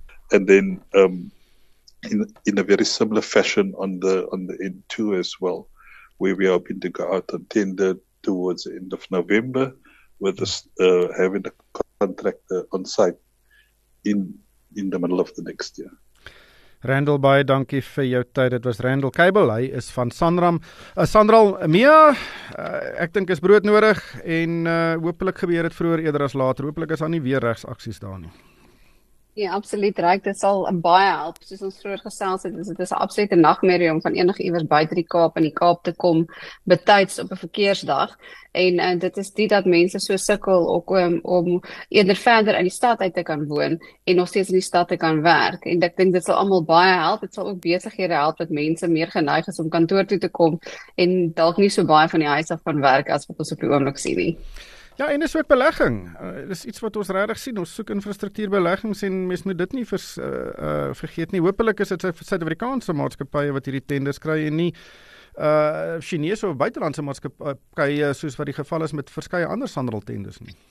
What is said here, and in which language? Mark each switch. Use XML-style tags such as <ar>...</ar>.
<en>And then in a very similar fashion on the N2 as well, where we are hoping to go out on tender towards the end of November, with us having a contractor on site in the middle of the next year.</en> <af>Randall, baie dankie vir jou tyd. Dit was Randall Kabel. Hy is van Sanram. Sanral, Mia, ek dink is brood nodig en hopelik gebeur dit vroeër eerder as later. Hopelik is daar nie weer regsaksies daar nie. Ja, absoluut, Ryk. Dit sal baie help. Soos ons vroeër gesels het, dit is 'n absolute nagmerrie om van enige iewers buite die Kaap in die Kaap te kom betyds op 'n verkeersdag. En dit is die dat mense so sukkel ook om eerder verder in die stad uit te kan woon en nog steeds in die stad te kan werk. En ek dink dit sal almal baie help. Dit sal ook besighede help dat mense meer geneig is om kantoor toe te kom en dalk nie so baie van die huis af kan werk as wat ons op die oomblik sien nie. Ja, en is ook belegging. Dit is iets wat ons regtig sien. Ons soek infrastruktuurbeleggings en mens moet dit nie vergeet nie. Hoopelik is dit Suid-Afrikaanse maatskappye wat hierdie tenders kry en nie Chinese of buitelandse maatskappye soos wat die geval is met verskeie ander SANRAL tenders nie.</af>